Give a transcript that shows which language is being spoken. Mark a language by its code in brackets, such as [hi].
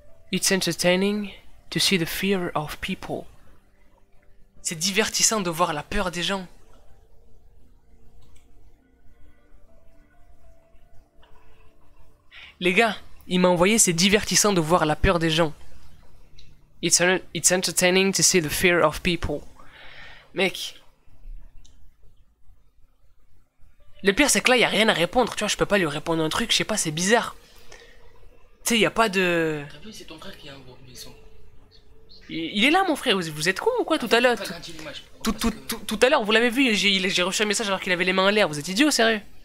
[en] It's entertaining to see the fear of people. [fr] C'est divertissant de voir la peur des gens. Les gars, il m'a envoyé, c'est divertissant de voir la peur des gens. [en] It's entertaining to see the fear of people. [fr] Mec. Le pire, c'est que là, il n'y a rien à répondre. Tu vois, je peux pas lui répondre un truc, je sais pas, c'est bizarre. Tu sais, y a pas de... T'as vu, c'est ton frère qui a un gros buisson. Il est là, mon frère, vous êtes con ou quoi, tout à l'heure? Tout à l'heure, vous l'avez vu, j'ai reçu un message alors qu'il avait les mains en l'air, vous êtes idiot, sérieux?